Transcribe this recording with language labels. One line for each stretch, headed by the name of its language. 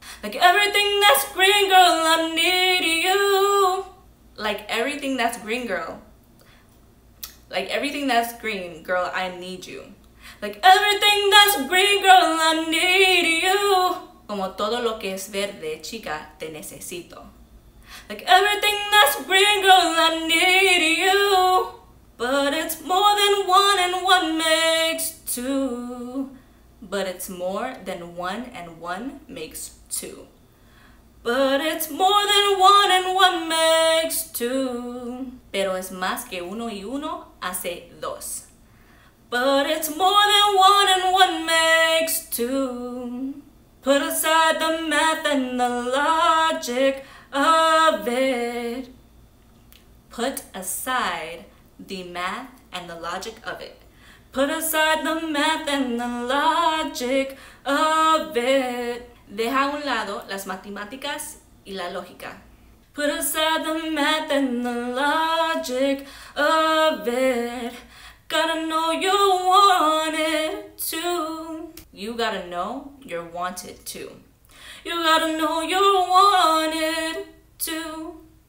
English: Like everything that's green, girl, I need you. Like everything that's green, girl. Like everything that's green, girl, I need you. Like everything that's green, girl, I need you.
Spanish: Como todo lo que es verde, chica, te necesito.
English: Like everything that's green, girl, I need you. But it's more than one and one makes two. But it's more than one and one makes two. But it's more than one and one makes two.
Spanish: Pero es más que uno y uno hace dos.
English: But it's more than one and one makes two. Put aside the math and the logic of it. Put aside the math and the logic of it. Put aside the math and the logic of it.
Spanish: Deja a un lado las matemáticas y la lógica.
English: Put aside the math and the logic of it. Gotta know you're wanted too. You gotta know you're wanted too. You gotta know you're wanted too.